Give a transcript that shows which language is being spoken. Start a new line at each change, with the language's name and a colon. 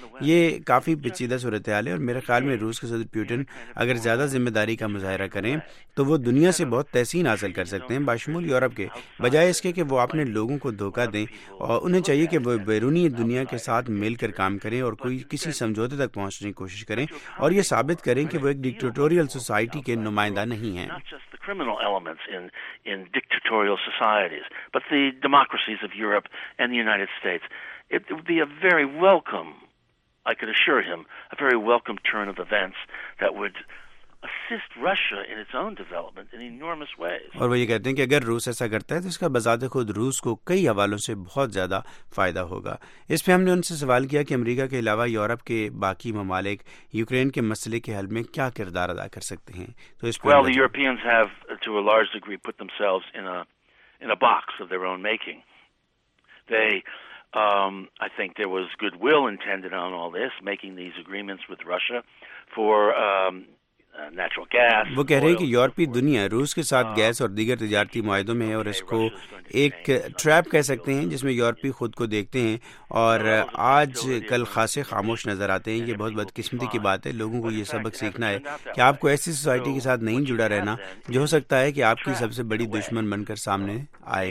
Urdu: یہ کافی پیچیدہ صورتحال ہے, اور میرے خیال میں روس کے صدر پوٹن اگر زیادہ ذمہ داری کا مظاہرہ کریں تو وہ دنیا سے بہت تحسین حاصل کر سکتے ہیں, بشمول یورپ کے, بجائے اس کے کہ وہ اپنے لوگوں کو دھوکہ دیں. اور انہیں چاہیے کہ وہ بیرونی دنیا کے ساتھ مل کر کام کریں اور کسی سمجھوتے تک پہنچنے کی کوشش کریں, اور یہ ثابت کریں کہ وہ ایک ڈکٹیٹوریل سوسائٹی کے نمائندہ نہیں ہیں.
English: Criminal elements in dictatorial societies, but the democracies of Europe and the United States, it would be a very welcome, I could assure him, a very welcome turn of events that would assist Russia in its own development in enormous ways.
Urdu: اور وہ یہ کہتے ہیں کہ اگر روس ایسا کرتا ہے تو اس کا بذات خود روس کو کئی حوالوں سے بہت زیادہ فائدہ ہوگا. اس پہ ہم نے ان سے سوال کیا کہ امریکہ کے علاوہ یورپ کے باقی ممالک یوکرین کے مسئلے کے حل میں کیا کردار ادا کر سکتے ہیں. تو اس
English: Well, the Europeans have to a large degree put themselves in a box of their own making. They I think there was goodwill intended on all this, making these agreements with Russia for natural gas.
Urdu: وہ کہہ رہے ہیں کہ یورپی دنیا روس کے ساتھ گیس اور دیگر تجارتی معاہدوں میں ہے اور اس کو ایک ٹریپ کہہ سکتے ہیں جس میں یورپی خود کو دیکھتے ہیں اور آج کل خاصے خاموش نظر آتے ہیں. یہ بہت بدقسمتی کی بات ہے. لوگوں کو یہ سبق سیکھنا ہے کہ آپ کو ایسی سوسائٹی کے ساتھ نہیں جڑا رہنا جو ہو سکتا ہے کہ آپ کی سب سے بڑی دشمن بن کر سامنے آئے.